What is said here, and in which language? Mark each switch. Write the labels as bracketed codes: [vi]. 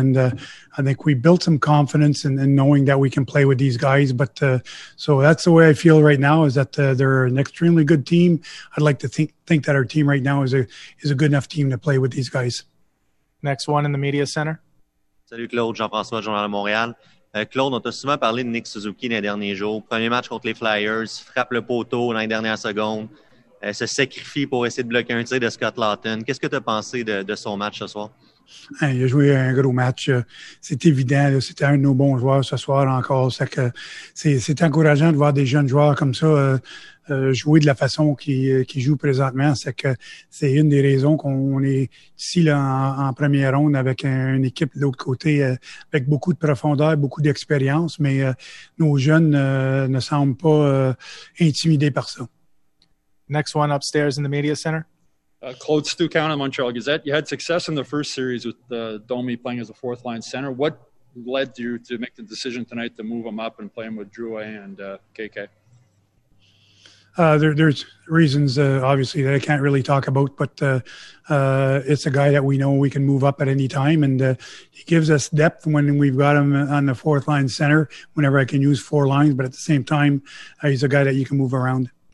[en] And I think we built some confidence in knowing that we can play with these guys. But so that's the way I feel right now, is that they're an extremely good team. I'd like to think that our team right now is a good enough team to play with these guys. Next one in the media center. [fr] Salut Claude, Jean-François, Journal de Montréal. Claude, on t'a souvent parlé de Nick Suzuki dans les derniers jours. Premier match contre les Flyers, frappe le poteau dans les dernières secondes, se sacrifie pour essayer de bloquer un tir de Scott Laughton. Qu'est-ce que tu as pensé de son match ce soir? Il a joué un gros match. C'est évident. C'était un de nos bons joueurs ce soir encore. C'est encourageant de voir des jeunes joueurs comme ça jouer de la façon qu'ils jouent présentement. C'est une des raisons qu'on est ici là, en première ronde avec une équipe de l'autre côté avec beaucoup de profondeur, beaucoup d'expérience. Mais nos jeunes ne semblent pas intimidés par ça. [en] Next one upstairs in the media center. Claude, Stu Cowan, Montreal Gazette. You had success in the first series with Domi playing as a fourth line center. What led you to make the decision tonight to move him up and play him with Drouin and KK? There's reasons, obviously, that I can't really talk about, but it's a guy that we know we can move up at any time, and he gives us depth when we've got him on the fourth line center, whenever I can use four lines, but at the same time, he's a guy that you can move around.